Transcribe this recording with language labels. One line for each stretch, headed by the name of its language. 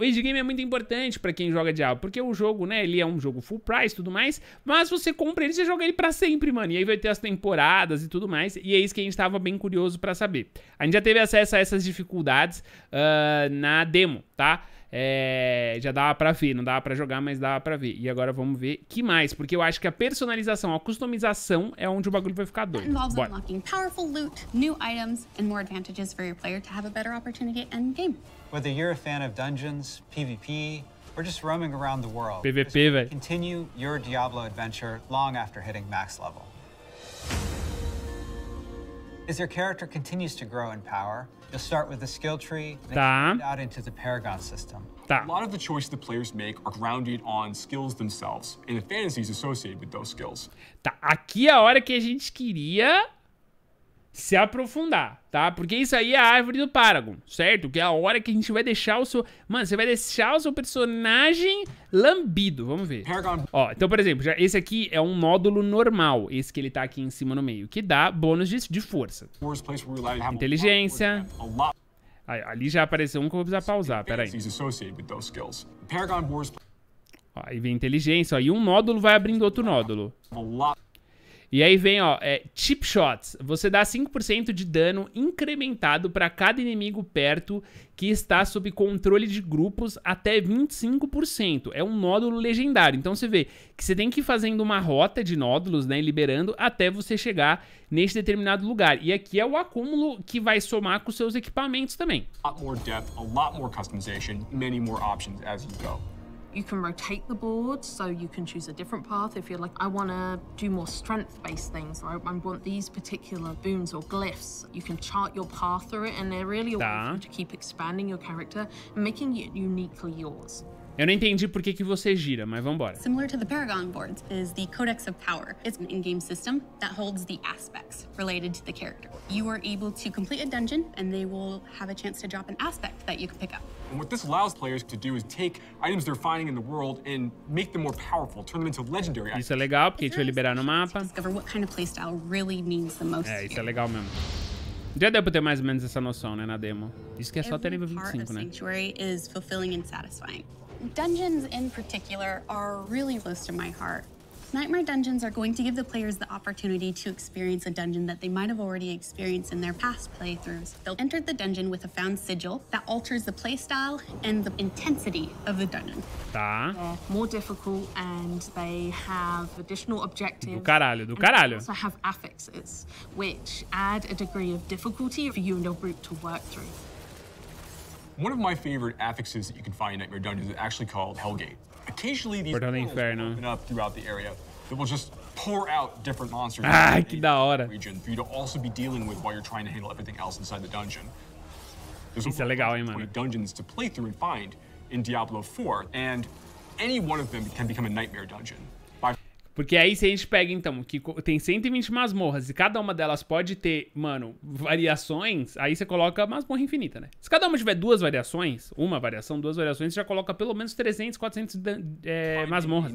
Portuguese: O endgame é muito importante pra quem joga Diablo, porque o jogo, né, ele é um jogo full price e tudo mais, mas você compra ele, você joga ele pra sempre, mano, e aí vai ter as temporadas e tudo mais, e é isso que a gente tava bem curioso pra saber. A gente já teve acesso a essas dificuldades na demo, tá? Já dava pra ver, não dava pra jogar, mas dava pra ver. E agora vamos ver que mais, porque eu acho que a personalização, a customização é onde o bagulho vai ficar doido.
English: Envolve unlocking powerful loot, new items, and more advantages for your player to have a better opportunity end game. Whether you're a fan of dungeons, PvP, or just roaming around the world, PvP, continue your Diablo adventure long after hitting max level. As your character continues to grow in power, you'll start with the skill tree and then out into the paragon system.
Portuguese: Tá.
English: A lot of the choices the players make are grounded on skills themselves and the fantasies associated with those skills.
Portuguese: Tá, aqui é a hora que a gente queria se aprofundar, tá? Porque isso aí é a árvore do Paragon, certo? Que é a hora que a gente vai deixar o seu... Mano, você vai deixar o seu personagem lambido, vamos ver. Paragon. Ó, então, por exemplo, já, esse aqui é um módulo normal, esse que ele tá aqui em cima no meio, que dá bônus de força. Inteligência. Aí, ali já apareceu um que eu vou precisar pausar, peraí. Ó, aí vem inteligência, ó, e um módulo vai abrindo outro módulo. E aí vem, ó, chip shots. Você dá 5% de dano incrementado pra cada inimigo perto que está sob controle de grupos até 25%. É um nódulo legendário. Então você vê que você tem que ir fazendo uma rota de nódulos, né, liberando até você chegar neste determinado lugar. E aqui é o acúmulo que vai somar com seus equipamentos também.
English: A lot more depth, a lot more customization, many more options as you go. You can rotate the board, so you can choose a different path if you're like, I want to do more strength-based things, or I want these particular boons or glyphs. You can chart your path through it, and they're really a way for you to keep expanding your character and making it uniquely yours.
Portuguese: Eu não entendi por que você gira, mas vambora.
English: Similar to the Paragon boards is the Codex of Power. It's an in-game system that holds the aspects related to the character. You are able to complete a dungeon, and they will have a chance to drop an aspect that you can pick up. And what this allows players to do is take items they're finding in the world and make them more powerful, turn them into legendary items.
Portuguese: Isso é legal, porque te vai liberar no mapa.
English: Discover what kind of playstyle really means the most.
Portuguese: Isso é legal mesmo. Já deu pra ter mais ou menos essa noção, né, na demo. Isso que é só
English: every
Portuguese: ter nível 25,
English: part of
Portuguese: né?
English: Sanctuary is fulfilling and satisfying. Dungeons in particular are really close to my heart. Nightmare dungeons are going to give the players the opportunity to experience a dungeon that they might have already experienced in their past playthroughs. They'll enter the dungeon with a found sigil that alters the playstyle and the intensity of the dungeon.
Portuguese: Tá.
English: They're more difficult and they have additional objectives.
Portuguese: Do caralho, do caralho.
English: They also have affixes, which add a degree of difficulty for you and your group to work through. One of my favorite affixes that you can find in Nightmare Dungeons is actually called Hellgate. Occasionally, these portals open up throughout the area that will just pour out different monsters in the region for you to also be dealing with while you're trying to handle everything else inside the dungeon. There's also many dungeons to play through and find in Diablo 4, and any one of them can become a Nightmare Dungeon.
Portuguese: Porque aí se a gente pega, então, que tem 120 masmorras e cada uma delas pode ter, mano, variações, aí você coloca masmorra infinita, né? Se cada uma tiver duas variações, uma variação, duas variações, você já coloca pelo menos 300, 400 masmorras.